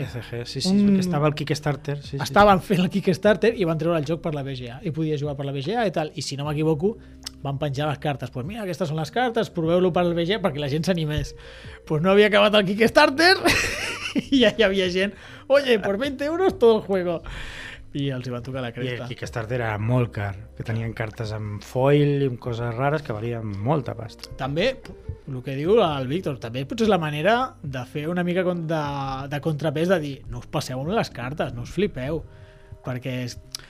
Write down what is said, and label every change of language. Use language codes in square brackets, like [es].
[ca] TCG, sí, perquè estava al Kickstarter. Sí, estaven fent el Kickstarter i van treure el joc per la BGA. I podia jugar per la BGA i tal. I si no m'equivoco, van penjar les cartes. Pues mira, aquestes són les cartes, proveu-lo per la BGA perquè la gent s'animés. Pues no havia acabat el Kickstarter i ja hi havia gent. [es] Oye, por 20 euros todo el juego. [ca] I els hi va tocar la cresta. I el Kickstarter era molt car, que tenien cartes amb foil i amb coses rares que valien molta pasta. També, el que diu el Víctor, també potser és la manera de fer una mica de contrapès, de dir, no us passeu amb les cartes, no us flipeu, perquè és...